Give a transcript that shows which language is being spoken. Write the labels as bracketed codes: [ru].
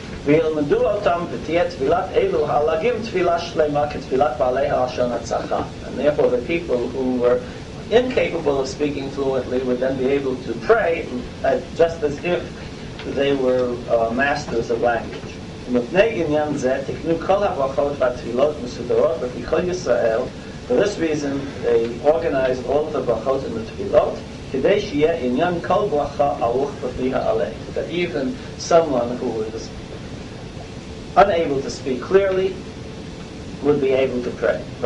[he] וילמדו אותם ותהיה תפילת אלו הלגים תפילה שלמה כתפילת בעלי הלשון הצחה. [en] And therefore the people who were incapable of speaking fluently would then be able to pray just as if they were masters of language. [he] ומפני עניין זה תקנו כל הברכות והתפילות מסודרות בפי כל ישראל. [en] For this reason they organized all [he] the ברכות and the תפילות כדי שיהיה עניין כל ברכה ארוך בפי העלי. [en] That even someone who was unable to speak clearly would be able to pray.